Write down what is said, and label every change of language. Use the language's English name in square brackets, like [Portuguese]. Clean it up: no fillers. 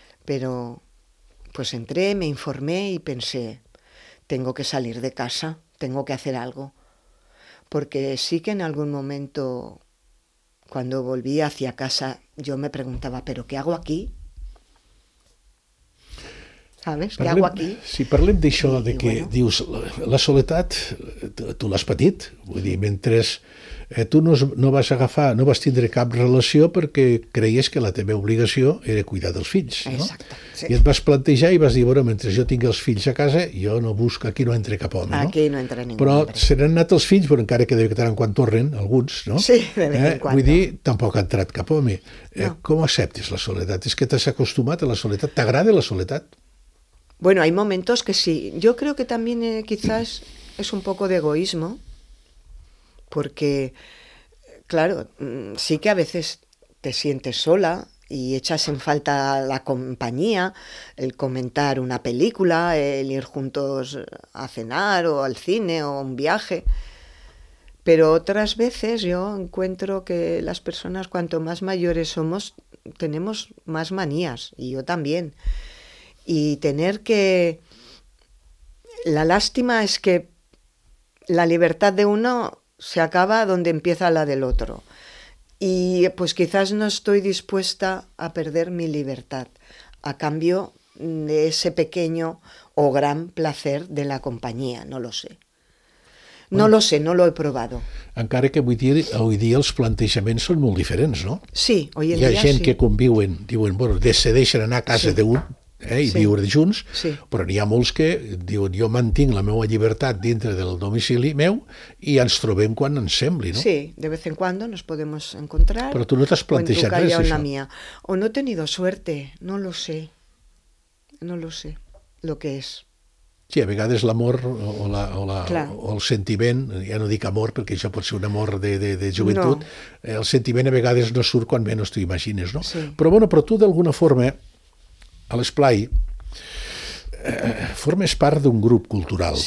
[Spanish] Pero pues entré, me informé y pensé, tengo que salir de casa, tengo que hacer algo. Porque sí que en algún momento, cuando volví hacia casa, yo me preguntaba, ¿pero qué hago aquí? ¿Sabes? ¿Qué hago aquí? [Catalan] Si parlem d'això de que bueno, dius la soledat, tu l'has patit, vull dir, mentre tu no vas tindre cap relació perquè creies que la teva obligació era cuidar dels fills. Exacte, no? Sí. I et vas plantejar i vas dir, bueno, mentre jo tinc els fills a casa, jo no busco, aquí no entre cap home. Aquí no entra ningú. Però seran anat els fills, però encara que debitaran quan tornen, alguns, no? Sí, de vegades. Vull dir, tampoc ha entrat cap home. No. Com acceptes la soledat? És que t'has acostumat a la soledat? T'agrada la soledat? [Spanish] Bueno, hay momentos que sí. Yo creo que también quizás es un poco de egoísmo, porque, claro, sí que a veces te sientes sola y echas en falta la compañía, el comentar una película, el ir juntos a cenar o al cine o un viaje. Pero otras veces yo encuentro que las personas, cuanto más mayores somos, tenemos más manías, y yo también. Y tener que... La lástima es que la libertad de uno se acaba donde empieza la del otro. Y pues quizás no estoy dispuesta a perder mi libertad a cambio de ese pequeño o gran placer de la compañía. No lo sé. Bueno, no lo sé, no lo he probado. [Catalan] Encara que avui dia els plantejaments són molt diferents, no? [Spanish] Sí, hoy en dia sí. [Catalan] Hi ha gent sí que conviuen, diuen, bueno, decideixen anar a casa sí d'un, i sí viure junts, sí, però n'hi ha molts que diuen, jo mantinc la meva llibertat dintre del domicili meu i ens trobem quan ens sembli, no? [Spanish] Sí, de vez en cuando nos podemos encontrar. [Catalan] Però tu no t'has plantejat res, això. [Spanish] Mía. O no he tenido suerte, no lo sé. No lo sé lo que es. [Catalan] Sí, a vegades l'amor o el sentiment, ja no dic amor perquè això pot ser un amor de joventut, no. El sentiment a vegades no surt quan menys t'ho imagines, no? Sí. Però bueno, però tu d'alguna forma a l'Esplai formes part d'un grup cultural.